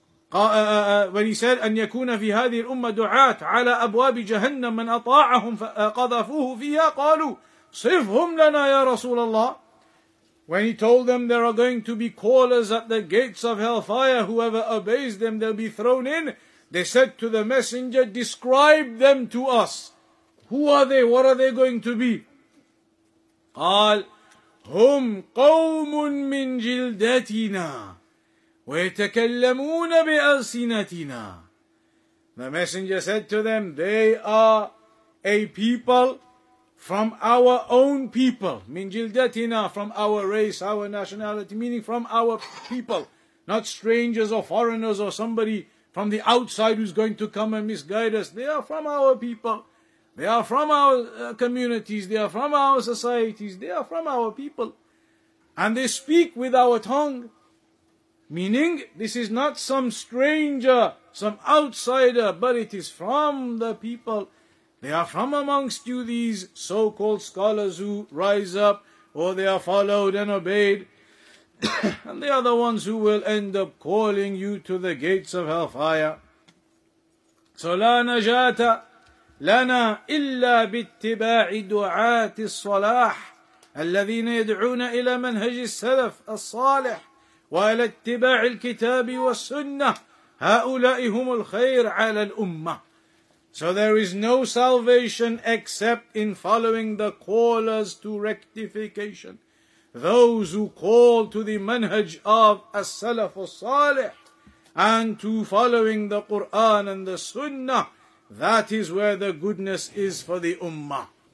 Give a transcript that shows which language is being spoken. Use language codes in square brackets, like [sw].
[en] When he said, [ar] أَنْ يَكُونَ فِي هَذِهِ الْأُمَّةِ دُعَاتِ عَلَىٰ أَبْوَابِ جَهَنَّمْ مَنْ أَطَاعَهُمْ فَقَذَفُوهُ فِيهَا قَالُوا صِفْهُمْ لَنَا يَا رَسُولَ اللَّهِ. [en] When he told them there are going to be callers at the gates of hellfire, whoever obeys them, they'll be thrown in. They said to the messenger, describe them to us. Who are they? What are they going to be? [ar] قال هم قوم من جلدتنا ويتكلمون بألسنتنا. [en] The messenger said to them, they are a people from our own people. [ar] من جلدتنا, [en] from our race, our nationality, meaning from our people. Not strangers or foreigners or somebody from the outside who's going to come and misguide us. They are from our people. They are from our communities. They are from our societies. They are from our people. And they speak with our tongue. Meaning, this is not some stranger, some outsider, but it is from the people. They are from amongst you, these so-called scholars who rise up, or they are followed and obeyed. And they are the ones who will end up calling you to the gates of hellfire. So, [ar] لا نجاة لنا إلا باتباع دعاة الصلاح الذين يدعون إلى منهج السلف الصالح وإلى اتباع الكتاب والسنة هؤلاء هم الخير على الأمة. [en] So there is no salvation except in following the callers to rectification. Those who call to the manhaj of as-salaf as-salih and to following the Qur'an and the sunnah, That is where the goodness is for the ummah.